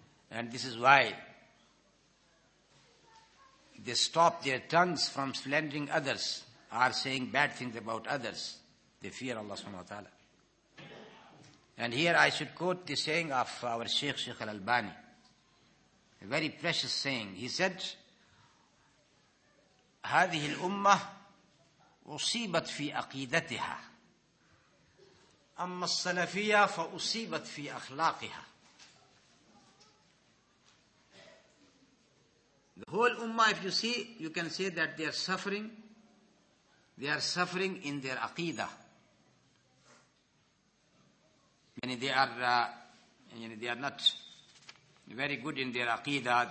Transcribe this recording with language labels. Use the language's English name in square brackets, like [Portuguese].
[English] And this is why they stop their tongues from slandering others or saying bad things about others. They fear Allah subhanahu wa ta'ala. And here I should quote the saying of our Sheikh Al-Albani. A very precious saying. He said, [Arabic] هذه الأمة أصيبت في أقيدتها أما السلفية فأصيبت في أخلاقها. [English] The whole Ummah, if you see, you can say that they are suffering. They are suffering in their Aqidah. They are not very good in their aqidah.